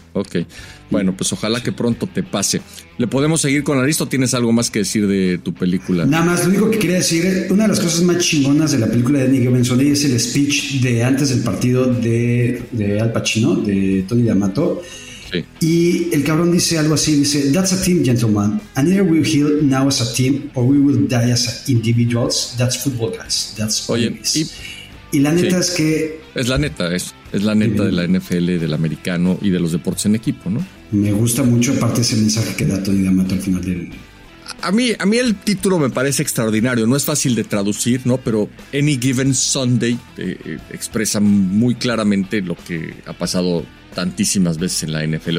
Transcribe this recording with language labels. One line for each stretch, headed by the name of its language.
Spanish: Ok. Bueno, pues ojalá que pronto te pase. ¿Le podemos seguir con la lista o tienes algo más que decir de tu película? Nada más, lo único que quería decir, una de las cosas más chingonas de la película de Nick Benzoni es el speech de antes del partido de Al Pacino, de Tony D'Amato. Sí. Y el cabrón dice algo así, dice,
English: that's a team, gentlemen, and either we'll heal now as a team or we will die as individuals, that's football,
Spanish: guys, that's
English: obvious.
Spanish: Y la neta sí. Es que... Es la neta de la NFL, del americano y de los deportes en equipo, ¿no? Me gusta mucho, aparte ese mensaje que da Tony D'Amato al final del... A mí el título me parece extraordinario, no es fácil de traducir, ¿no? Pero Any Given Sunday expresa muy claramente lo que ha pasado tantísimas veces en la NFL.